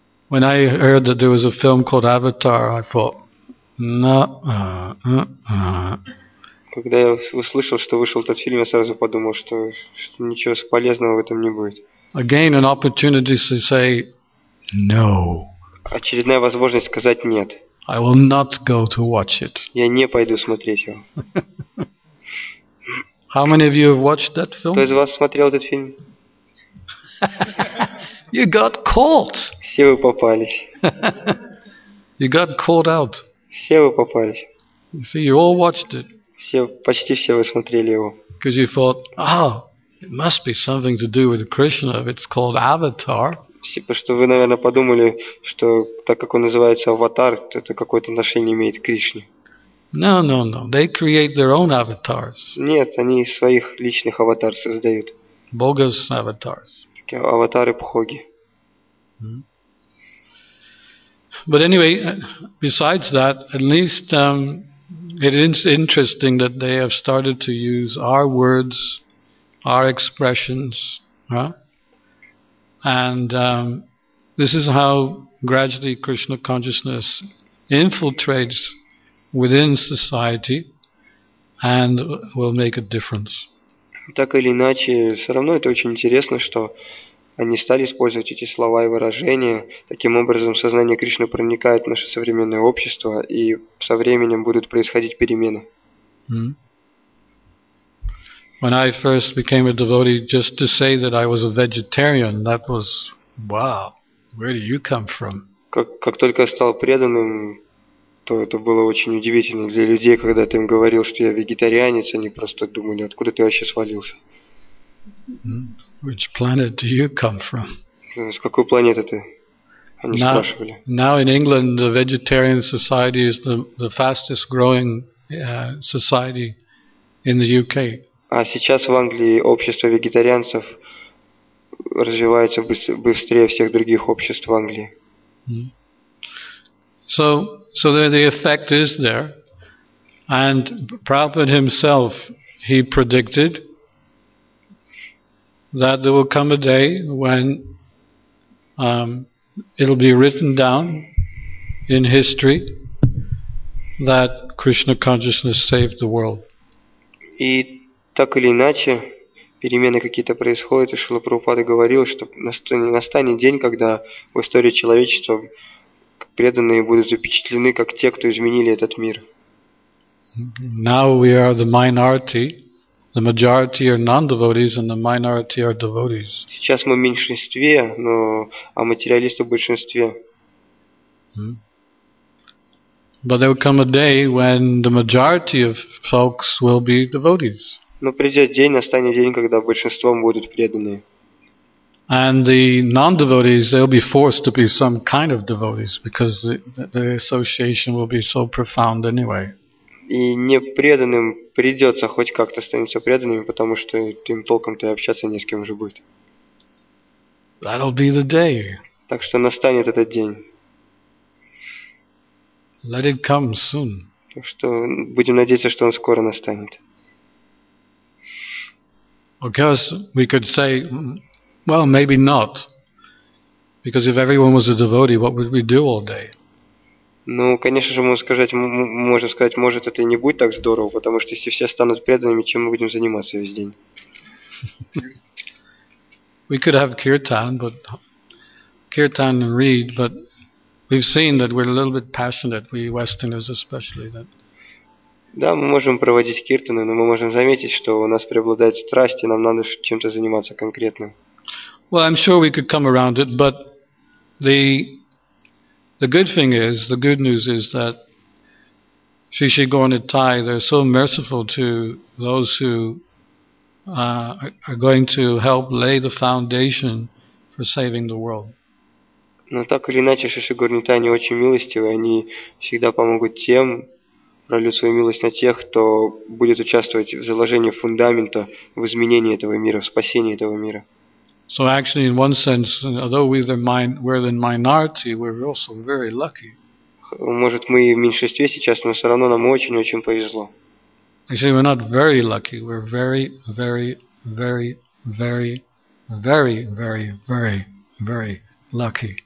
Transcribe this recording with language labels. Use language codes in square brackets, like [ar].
[en] When I heard that there was a film called Avatar, I thought, no. [ru] Когда я услышал, что вышел этот фильм, я сразу подумал, что, что ничего полезного в этом не будет. [en] Again, an opportunity to say no. [ru] Очередная возможность сказать нет. [en] I will not go to watch it. [ru] Я не пойду смотреть его. [en] How many of you have watched that film? [ru] Кто из вас смотрел этот фильм? [en] You got caught. [ru] Все вы попались. [en] You got caught out. [ru] Все вы попались. [en] You see, you all watched it. [ru] Все, почти все вы смотрели его. [en] Because you thought, ah. It must be something to do with Krishna if it's called Avatar. [ru] Потому что вы, наверное, подумали, что так как он называется Аватар, то это какое-то отношение имеет к Кришне. [en] No, no, no. They create their own avatars. [ru] Нет, они своих личных аватар создают. [en] Bogus avatars. [ru] Такие аватары бхоги. [en] But anyway, besides that, at least it is interesting that they have started to use our words, our expressions, huh? And this is how gradually Krishna consciousness infiltrates within society and will make a difference. [ru] Так или иначе, все равно это очень интересно, что они стали использовать эти слова и выражения. Таким образом, сознание Кришны проникает в наше современное общество, и со временем будут происходить перемены. [en] When I first became a devotee, just to say that I was a vegetarian, that was, wow, where do you come from? [ru] Как только я стал преданным, то это было очень удивительно для людей, когда ты им говорил, что я вегетарианец, они просто думали, откуда ты вообще свалился? [en] Which planet do you come from? [ru] С какой планеты ты? Они спрашивали. [en] Now in England, the vegetarian society is the fastest growing society in the UK. [ru] А сейчас в Англии общество вегетарианцев развивается быстрее всех других обществ в Англии. [en] So the effect is there. And Prabhupada himself, he predicted that there will come a day when it'll be written down in history that Krishna consciousness saved the world. [ru] И так или иначе, перемены какие-то происходят, и Шрила Прабхупада говорил, что настанет день, когда в истории человечества преданные будут запечатлены как те, кто изменили этот мир. [en] Now we are the minority. The majority are non-devotees and the minority are devotees. [ru] Сейчас мы в меньшинстве, но а материалисты в большинстве. [en] But there will come a day when the majority of folks will be devotees. [ru] Но придет день, настанет день, когда большинством будут преданные. [en] And the non-devotees, they'll be forced to be some kind of devotees because the association will be so profound anyway. [ru] И непреданным придется хоть как-то становиться преданными, потому что им толком-то и общаться не с кем уже будет. [en] That'll be the day. [ru] Так что настанет этот день. [en] Let it come soon. [ru] Так что будем надеяться, что он скоро настанет. [en] Of course, we could say, well, maybe not. Because if everyone was a devotee, what would we do all day? [ru] Ну, конечно же, можно сказать, может, это и не будет так здорово, потому что если все станут преданными, чем мы будем заниматься весь день? [en] We could have kirtan, but kirtan and read, but we've seen that we're a little bit passionate, we Westerners especially, that. [ru] Да, мы можем проводить киртаны, но мы можем заметить, что у нас преобладает страсть, и нам надо чем-то заниматься конкретным. [en] Well, I'm sure we could come around it, but the good thing is, the good news is that Sri Sri Gaura-Nitai, they're so merciful to those who are going to help lay the foundation for saving the world. [ru] Но так или иначе, Шиши Гурнитай очень милостивы, они всегда помогут тем, пролют свою милость на тех, кто будет участвовать в заложении фундамента, в изменении этого мира, в спасении этого мира. [en] So actually, in one sense, although we're the minority, we're also very lucky. [ru] Может, мы в меньшинстве сейчас, но все равно нам очень-очень повезло. [en] You see, we're not very lucky, we're very, very, very, very, very, very, very, very lucky.